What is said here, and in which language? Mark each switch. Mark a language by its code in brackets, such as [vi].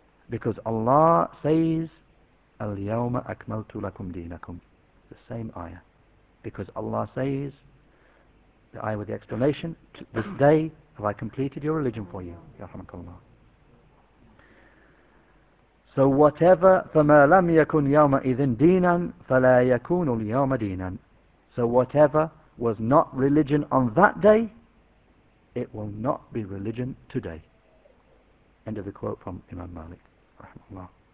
[en] Because Allah says, [ar] Al-Yawma Akmaltu Lakum Deenakum. [en] The same ayah. Because Allah says, the ayah with the explanation, this day have I completed your religion for you. [ar] Ya Rahmakallah. [en] So whatever, [ar] فَمَا لَمْ يَكُنْ يَوْمَ إِذٍ دِينًا فَلَا يَكُونُ الْيَوْمَ دِينًا. [en] So whatever was not religion on that day, it will not be religion today. End of the quote from Imam Malik. Rahimahullah.